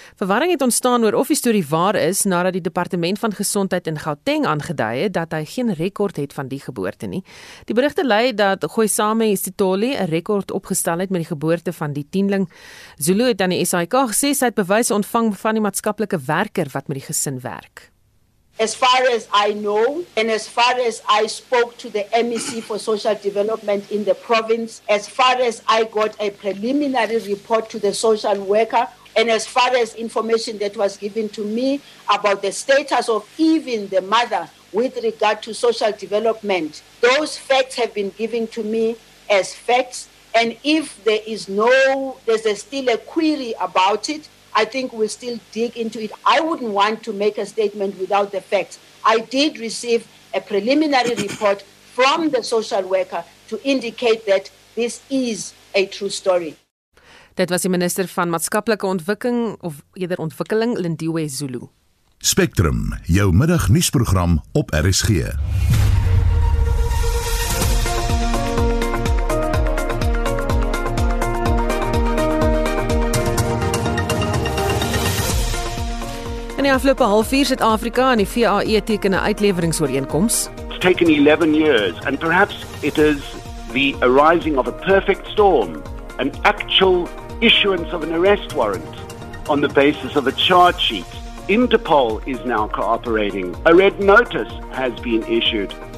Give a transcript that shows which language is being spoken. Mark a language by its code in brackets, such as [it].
[af] Verwarring het ontstaan oor of die storie waar is nadat die departement van gesondheid in Gauteng aangedui het dat hy geen rekord het van die geboorte nie. Die berigte lei dat Goisame Sitoli 'n rekord opgestel het met die geboorte van die tienling. Zulu het aan die SAIK gesê sy het bewyse ontvang van die maatskaplike werker wat met die gesin werk. [en] As far as I know, and as far as I spoke to the MEC for Social Development in the province, as far as I got a preliminary report to the social worker, and as far as information that was given to me about the status of even the mother with regard to social development, those facts have been given to me as facts. And if there is no, there's still a query about it, I think we'll still dig into it. I wouldn't want to make a statement without the facts. I did receive a preliminary report from the social worker to indicate that this is a true story. [af] Dit was die minister van maatskaplike ontwikkeling of eerder ontwikkeling Lindiwe Zulu. Spectrum, jou middagnuusprogram op RSG. In die afgelope halfuur Suid-Afrika en die VAE teken 'n uitleweringsooreenkoms. [en] It's taken 11 years and perhaps it is the arising of a perfect storm, an actual issuance of an arrest warrant on the basis of a charge sheet. Interpol is now cooperating. A red notice has been issued.